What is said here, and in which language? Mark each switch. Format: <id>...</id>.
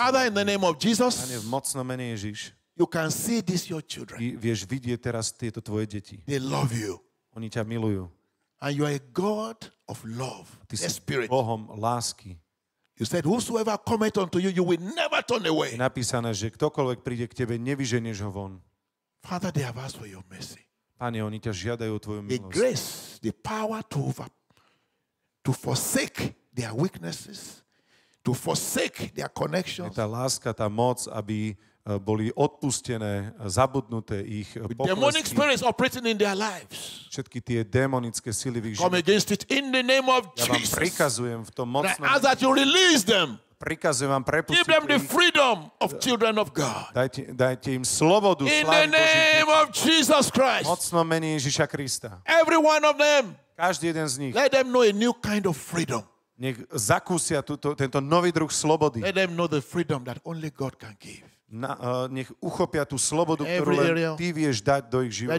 <en>Father, in the name of Jesus.</en> <sk>Pane, v mocno mene Ježiš.</sk> <en>You can see this your children.</en> <sk>Vieš vidieť teraz tieto tvoje deti.</sk> <en>They love you.</en> <sk>Oni ťa milujú.</sk> <en>And you are a God of love.</en> <sk>Ty si Bohom lásky.</sk> <en>You said whosoever cometh unto you, you will never turn away.</en> <sk>Je napísané, že ktokoľvek príde k tebe, nevyženieš ho von.</sk> <en>Father, they have asked for your mercy.</en> <sk>Pane, oni ťa žiadajú o tvoju milosť.</sk> <en>The grace, the power to forsake their weaknesses, to forsake their connections.</en> <sk>Je tá láska, tá moc, aby boli odpustené, zabudnuté ich poklesky.</sk> <en>Demonic spirits operating in their lives.</en> <sk>Všetky tie demonické sily v ich živote.</sk> <en>Come against it in the name of Jesus.</en> <sk>Ja vám prikazujem v tom mocnom.</sk> <en>As that you release them.</en> <sk>Prikazujem vám prepustiť.</sk> <en>Give them the freedom of children of God.</en> <sk>Dajte im slobodu, slávu Božiu.</sk> <en>In the name of Jesus Christ.</en> <sk>Mocnom mene Ježiša Krista.</sk> <en>Every one of them.</en> <sk>Každý jeden z nich.</sk> <en>Let them know a new kind of freedom.</en> <sk>Nech zakúsia tento nový druh slobody.</sk> <en>Let them know the freedom that only God can give.</en> <sk>Nech uchopia tú slobodu, ktorú ty vieš dať do ich života.</sk>